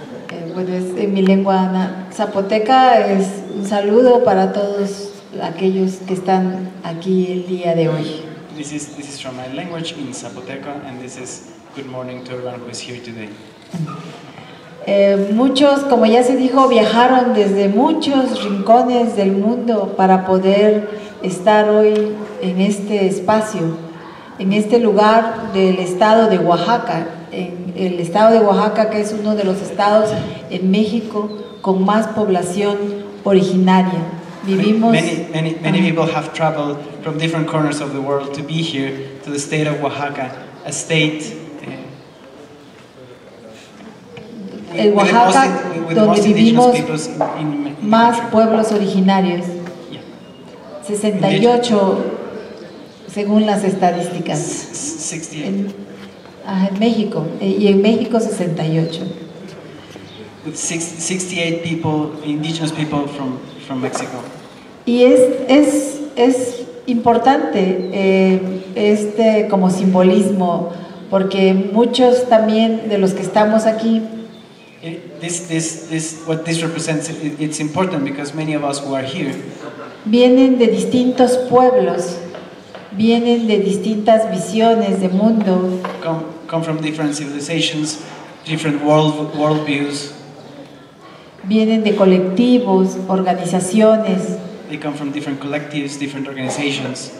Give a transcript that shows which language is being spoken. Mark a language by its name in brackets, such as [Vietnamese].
[Spanish] En mi lengua zapoteca es un saludo para todos aquellos que están aquí el día de hoy. [English] This is from my language in Zapoteca, and this is good morning to everyone who is here today. [Spanish] Muchos, como ya se dijo, viajaron desde muchos rincones del mundo para poder estar hoy en este espacio, en este lugar del estado de Oaxaca. En el estado de Oaxaca, que es uno de los estados en México con más población originaria. Vivimos. [English] Many people have traveled from different corners of the world to be here to the state of Oaxaca, a state. [Spanish] El Oaxaca, donde vivimos más pueblos originarios. Yeah. 68, según las estadísticas. 68. En México, y en México 68. [English] With 68 people, indigenous people from Mexico. [Spanish] Y es importante este como simbolismo, porque muchos también de los que estamos aquí. [English] This what this represents, it's important because many of us who are here. [Spanish] Vienen de distintos pueblos, vienen de distintas visiones de mundo. [English] Come from different civilizations, different world views. [Spanish] Vienen de colectivos, organizaciones. [English] They come from different collectives, different organizations.